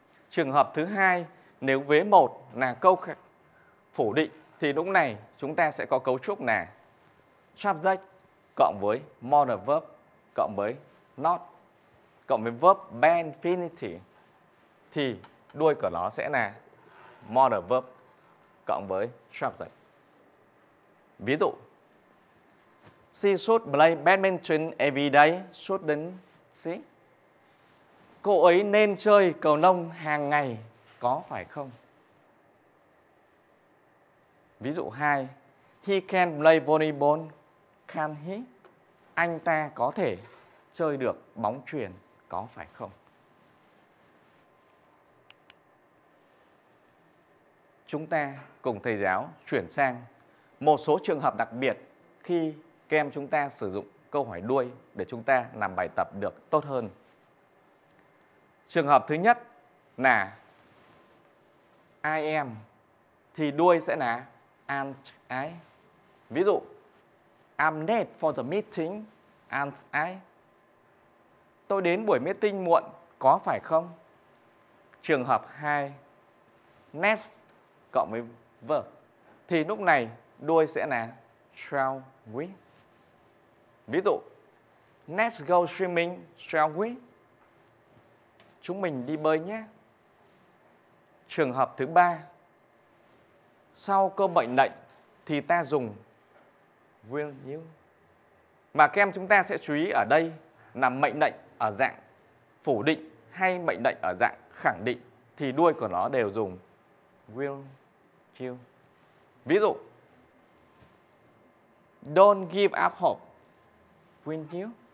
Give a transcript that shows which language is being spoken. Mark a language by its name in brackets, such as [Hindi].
[Vietnamese] Trường hợp thứ hai, nếu vế 1 là câu phủ định thì lúc này chúng ta sẽ có cấu trúc là subject cộng với modal verb cộng với not cộng với verb ban infinity. Thì đuôi của nó sẽ là modal verb cộng với subject. Ví dụ, [English] she should play badminton every day, shouldn't she? [Vietnamese] Cô ấy nên chơi cầu lông hàng ngày, có phải không? Ví dụ 2, [English] he can play volleyball, can't he? [Vietnamese] Anh ta có thể chơi được bóng chuyền, có phải không? Chúng ta cùng thầy giáo chuyển sang một số trường hợp đặc biệt khi các em chúng ta sử dụng câu hỏi đuôi để chúng ta làm bài tập được tốt hơn. Trường hợp thứ nhất là I am thì đuôi sẽ là aren't I. Ví dụ, [English] I'm late for the meeting, aren't I? [Vietnamese] Tôi đến buổi meeting muộn, có phải không? Trường hợp 2, next cộng với verb thì lúc này đuôi sẽ là shall we. Ví dụ, [English] let's go swimming, shall we? [Vietnamese] Chúng mình đi bơi nhé. Trường hợp thứ ba, sau câu mệnh lệnh thì ta dùng will you. Mà các em chúng ta sẽ chú ý ở đây là mệnh lệnh ở dạng phủ định hay mệnh lệnh ở dạng khẳng định thì đuôi của nó đều dùng will you. Ví dụ, [English] don't give up hope, will you?